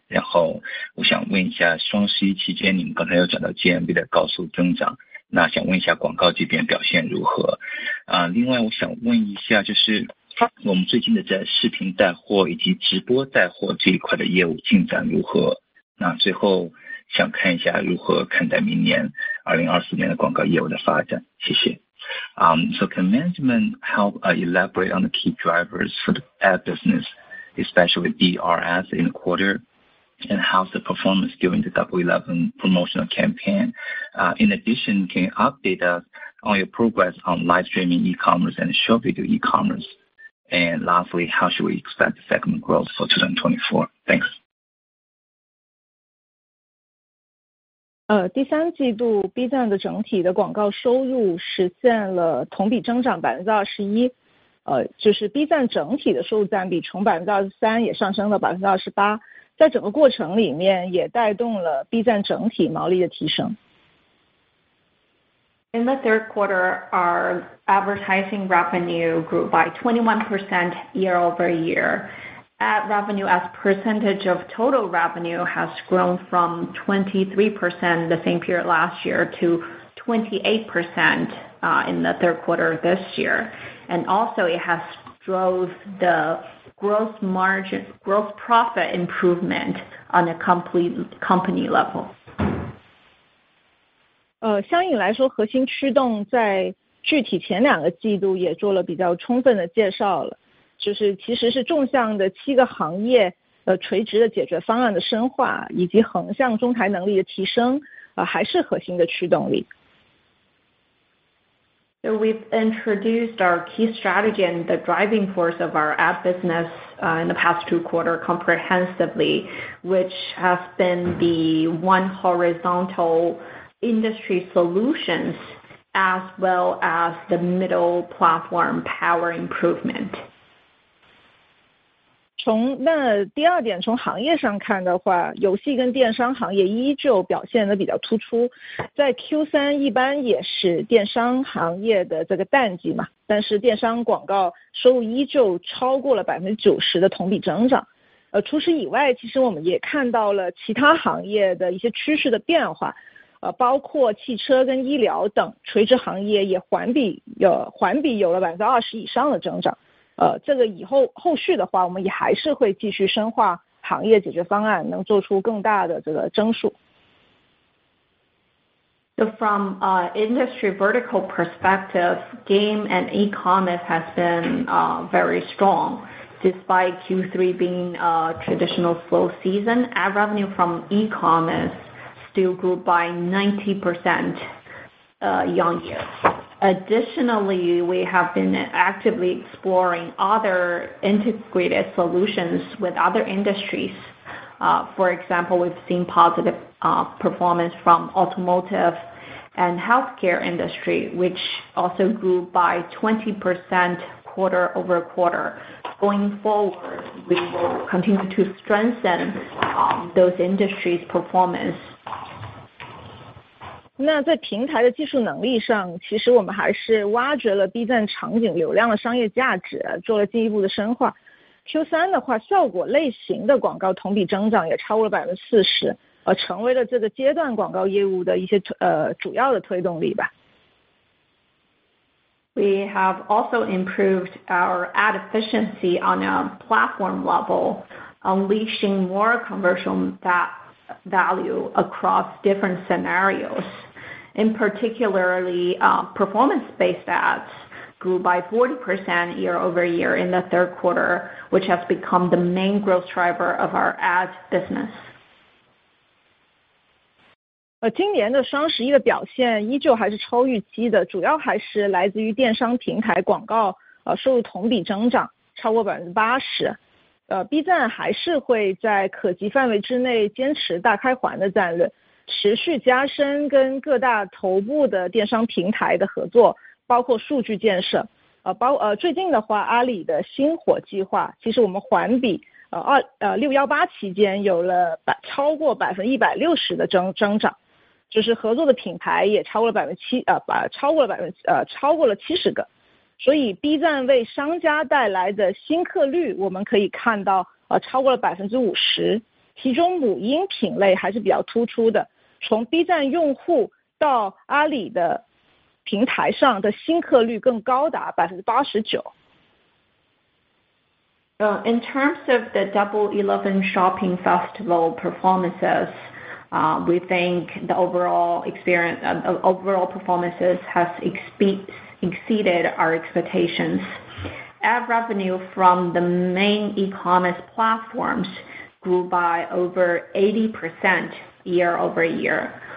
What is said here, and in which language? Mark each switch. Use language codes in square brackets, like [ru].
[zh] 然后我想问一下，双十一期间你们刚才又讲到 GMV 的高速增长，那想问一下广告这边表现如何？另外我想问一下，就是我们最近的在视频带货以及直播带货这一块的业务进展如何？那最后想看一下如何看待明年2024年的广告业务的发展？谢谢。 [en] So can management help elaborate on the key drivers for the ad business, especially DRS in the quarter, and how's the performance during the Double 11 promotional campaign? In addition, can you update us on your progress on live streaming e-commerce and short video e-commerce? And lastly, how should we expect the segment growth for 2024? Thanks. [zh] 第三季度 B 站的整体的广告收入实现了同比增长21%，就是 B 站整体的收入占比从23%也上升了28%，在整个过程里面也带动了 B 站整体毛利的提升。 [en] In the third quarter, our advertising revenue grew by 21% year over year. Ad revenue as percentage of total revenue has grown from 23% the same period last year to 28% in the third quarter of this year. And also it has drove the gross profit improvement on a company level. [zh] 相应来说核心驱动在具体前两个季度也做了比较充分的介绍了。就是其实是纵向的七个行业垂直的解决方案的深化以及横向中台能力的提升还是核心的驱动力。 [en] So we've introduced our key strategy and the driving force of our ad business in the past two quarters comprehensively, which has been the one horizontal industry solutions as well as the middle platform power improvement. [zh] 从那第二点，从行业上看的话，游戏跟电商行业依旧表现得比较突出，在 Q3 一般也是电商行业的这个淡季嘛，但是电商广告收入依旧超过了 90% 的同比增长。除此以外，其实我们也看到了其他行业的一些趋势的变化，包括汽车跟医疗等垂直行业也环比有了 20% 以上的增长。这个以后续的话，我们也还是会继续深化行业解决方案，能做出更大的这个增速。 [en] So from industry vertical perspective, game and e-commerce has been very strong. Despite Q3 being a traditional slow season, ad revenue from e-commerce still grew by 90% year-on-year. Additionally, we have been actively exploring other integrated solutions with other industries. For example, we've seen positive performance from automotive and healthcare industry, which also grew by 20% quarter over quarter. Going forward, we will continue to strengthen those industries' performance. [zh] 那在平台的技术能力上，其实我们还是挖掘了 B 站场景流量的商业价值，做了进一步的深化。 Q3 的话，效果类型的广告同比增长也超过了 40%， 成为了这个阶段广告业务的一些主要的推动力吧。 [en] We have also improved our ad efficiency on a platform level, unleashing more commercial value across different scenarios. In particularly, performance-based ads grew by 40% year over year in the third quarter, which has become the main growth driver of our ad business. [zh] 今年的双十一的表现依旧还是超预期的，主要还是来自于电商平台广告收入同比增长超过80%。 B 站还是会在可及范围之内坚持大开环的战略，持续加深跟各大头部的电商平台的合作，包括数据建设。最近的话，阿里的星火计划，其实我们环比618期间有了超过160%的增长，就是合作的品牌也超过了70%。所以 B 站为商家带来的新客率，我们可以看到超过了50%，其中母婴品类还是比较突出的。从 B 站用户到阿里的平台上的新客率更高达89%。 [en] In terms of the Double 11 Shopping Festival performances, we think the overall overall performances has exceeded our expectations. Ad revenue from the main e-commerce platforms grew by over 80% year over year.